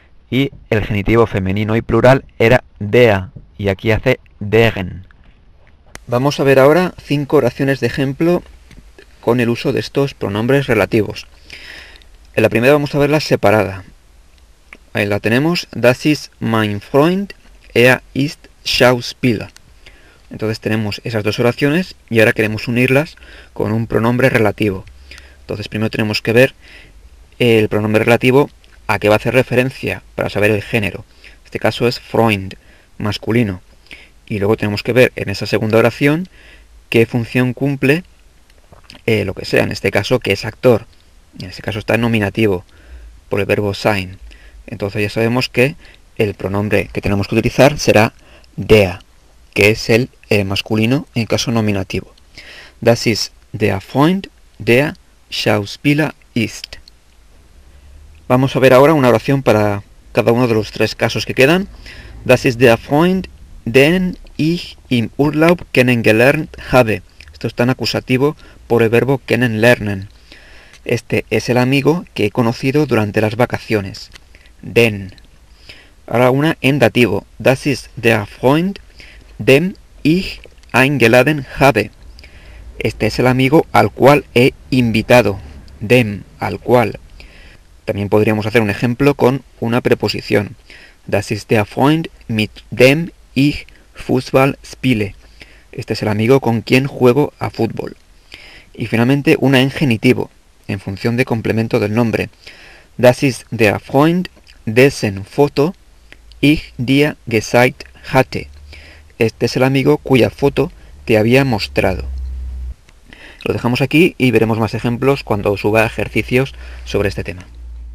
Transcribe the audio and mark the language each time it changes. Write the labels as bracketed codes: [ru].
[es] Y el genitivo femenino y plural era dea, y aquí hace degen. Vamos a ver ahora cinco oraciones de ejemplo con el uso de estos pronombres relativos. En la primera vamos a verla separada. Ahí la tenemos. [de] Das ist mein Freund, er ist Schauspieler. [es] Entonces tenemos esas dos oraciones y ahora queremos unirlas con un pronombre relativo. Entonces primero tenemos que ver el pronombre relativo a qué va a hacer referencia para saber el género. Este caso es Freund, masculino. Y luego tenemos que ver en esa segunda oración qué función cumple lo que sea. En este caso, que es actor. En este caso está en nominativo por el verbo sein. Entonces ya sabemos que el pronombre que tenemos que utilizar será der, que es el masculino en caso nominativo. [de] Das ist der Freund, der Schauspieler ist. [es] Vamos a ver ahora una oración para cada uno de los tres casos que quedan. [de] Das ist der Freund, den ich im Urlaub kennengelernt habe. [es] Esto es tan acusativo por el verbo kennenlernen. Este es el amigo que he conocido durante las vacaciones. Den. Ahora una en dativo. [de] Das ist der Freund, den ich eingeladen habe. [es] Este es el amigo al cual he invitado. Dem, al cual. También podríamos hacer un ejemplo con una preposición. [de] Das ist der Freund mit dem ich Fußball spiele. [es] Este es el amigo con quien juego a fútbol. Y finalmente una en genitivo, en función de complemento del nombre. [de] Das ist der Freund, dessen Foto ich dir gezeigt hatte. [es] Este es el amigo cuya foto te había mostrado. Lo dejamos aquí y veremos más ejemplos cuando suba ejercicios sobre este tema.